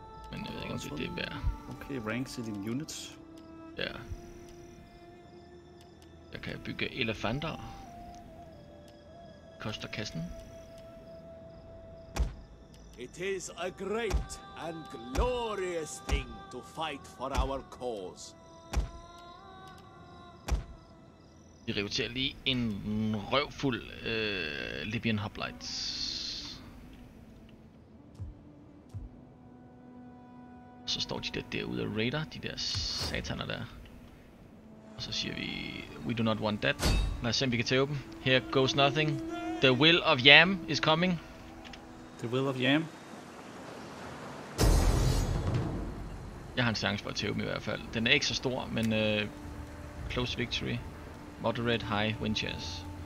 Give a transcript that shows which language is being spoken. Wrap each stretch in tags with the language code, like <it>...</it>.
<da>Men jeg ved ikke, om det er værd. Okay, ranks i din units. Ja. Jeg kan bygge elefanter. Koster kassen.</da> <en>It is a great and glorious thing to fight for our cause.</en> <da>Vi rekrutterer lige en røvfuld Libyan hoplites. Så står de der derude og raider, de der sataner der. Og så siger vi,</da> <en>we do not want that.</en> <da>Lad os se, om vi kan tage dem.</da> <en>Here goes nothing. The will of Yam is coming. The will of Yam?</en> <da>Jeg har en chance for at tæve dem i hvert fald. Den er ikke så stor, men</da> <en>close victory. Moderate high win chance.</en>